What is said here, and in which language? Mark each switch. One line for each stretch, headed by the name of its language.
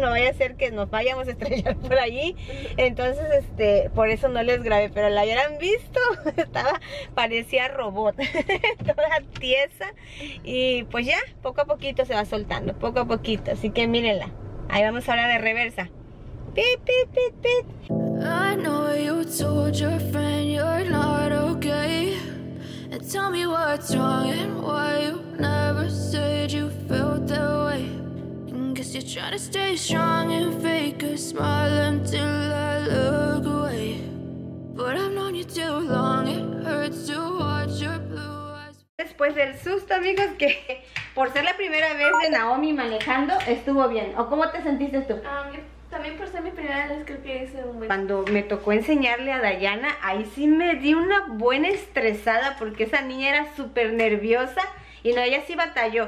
Spanish: No vaya a ser que nos vayamos a estrellar por allí. Entonces, por eso no les grabé, pero la hubieran visto. Parecía robot, toda tiesa. Y pues ya, poco a poquito se va soltando, poco a poquito. Así que mírenla. Ahí vamos ahora de reversa. Pip, pip, pip, pip.
English: I know you told your friend you're not okay. And tell me what's wrong and why you never said you felt that way. And guess you're trying to stay strong and fake a smile until I look away. But I've known you too long, it hurts to watch your blue eyes.
Spanish: Después del susto, amigos, que por ser la primera vez de Naomi manejando, estuvo bien. ¿O cómo te sentiste tú? También por ser mi primera vez, creo que hice un buen... Cuando me tocó enseñarle a Dayana, ahí sí me di una buena estresada porque esa niña era súper nerviosa y no, ella sí batalló.